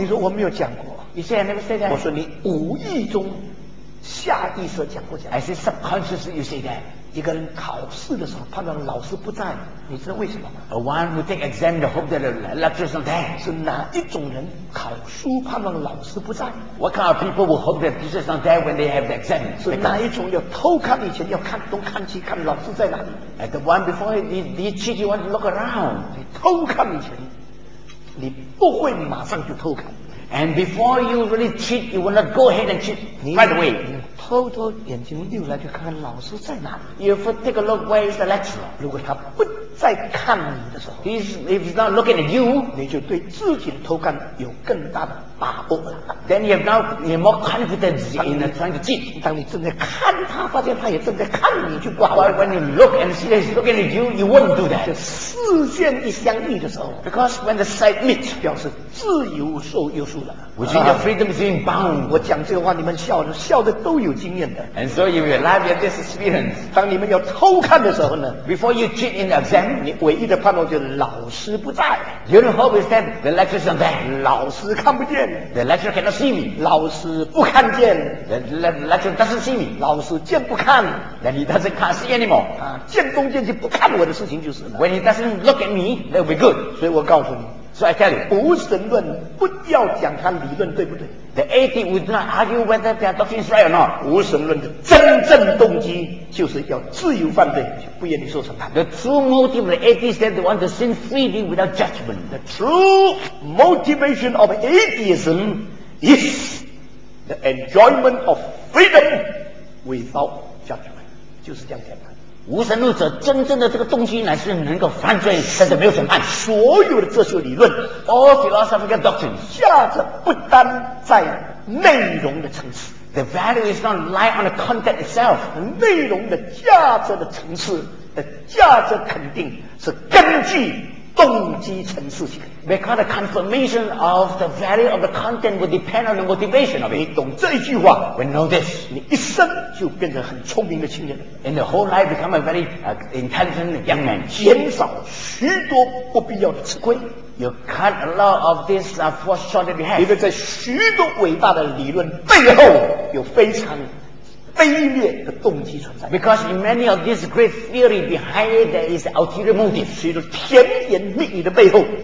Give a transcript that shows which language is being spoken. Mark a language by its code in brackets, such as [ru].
[zh] 你说我没有讲过。 [en] You say I never said that. [zh] 我说你无意中下意识讲过讲。 [en] I say subconsciously, you say that. [zh] 一个人考试的时候判断老师不在，你知道为什么吗 [en] ？A one who take exam the hope that the lecturer is not there [zh] 是哪一种人考书判断老师不在 [en] ？What kind of people will hope that teacher is not there when they have the exam？ [zh] 是哪一种要偷看以前要看东看西看老师在哪里 [en] ？At the one before he cheated want to look around， [zh] 你偷看以前，你不会马上就偷看。 [en] And before you really cheat, you will not go ahead and cheat right away. [zh] 你偷偷眼睛溜来去看看老师在哪里。 [en] You first take a look where is the lecturer. [zh] 如果他不再看你的时候 [en] if he's not looking at you, [zh] 你就对自己的偷看有更大的把握了。 [en] Then you have now you have more confidence in trying to cheat. [zh] 当你正在看他，发现他也正在看你，就不好了。 [en] When you look and see that he's looking at you, you won't do that. [zh] 视线一相遇的时候 [en] ，because when the sight meets， [zh] 表示自由受约束了。 [en] Which means your freedom is being bound. [zh] 我讲这个话，你们笑的笑的都有经验的。 [en] And so you will laugh at this experience. [zh] 当你们要偷看的时候呢 [en] ？Before you cheat in exam， [zh] 你唯一的盼望就是老师不在。 [en] Your hope is that the lecturer is not there. [zh] 老师看不见。 [en] The lecturer cannot see me. [zh] 老师不看见。 [en] The lecturer doesn't see me. [zh] 老师见不看。 [en] Then he doesn't can't see anymore. [zh] 啊，见东见西不看我的事情就是了。 [en] When he doesn't look at me, that will be good. [zh] 所以我告诉你 [en] ，So I tell you， [zh] 无神论不要讲他理论对不对 [en] ？The atheist would not argue whether their doctrine is right or not. [zh] 无神论的真正动机就是要自由犯罪，不愿意受审判。 [en] The true motive of the atheist is that they want to sin freely without judgment. The true motivation of atheism is the enjoyment of freedom without judgment. [zh] 就是这样简单。无神论者真正的这个动机乃是能够犯罪甚至没有审判所有的哲学理论 [en] All philosophical doctrines [zh] 价值不单在内容的层次 [en] The value is not lie on the content itself [zh] 内容的价值的层次的价值肯定是根据动机层次性 [en] Because the confirmation of the value of the content will depend on the motivation of it [zh] 你懂这一句话 [en] We know this [zh] 你一生就变成很聪明的青年 [en] And the whole life become a very intelligent young man [zh] 减少许多不必要的吃亏 [en] You cut a lot of this for short that you have [zh] 因为在许多伟大的理论背后有非常卑劣的动机存在 [en] Because in many of these great theory behind it there is ulterior motive [zh] 是一种甜言蜜语的背后